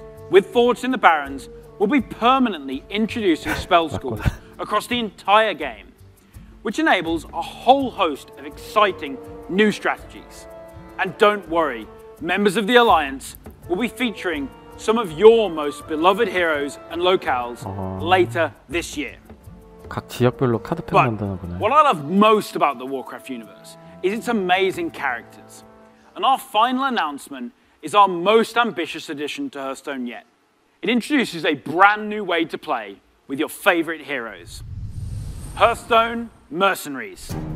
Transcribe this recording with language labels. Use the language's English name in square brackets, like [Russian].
[English] With Forged in the Barrens, we'll be permanently introducing spell schools across the entire game, which enables a whole host of exciting new strategies. And don't worry, members of the Alliance will be featuring some of your most beloved heroes and locales later this year. [Korean] 각 지역별로 카드팩 만드는 거네. [English] What I love most about the Warcraft universe is its amazing characters. And our final announcement is our most ambitious addition to Hearthstone yet. It introduces a brand new way to play with your favorite heroes. Hearthstone Mercenaries.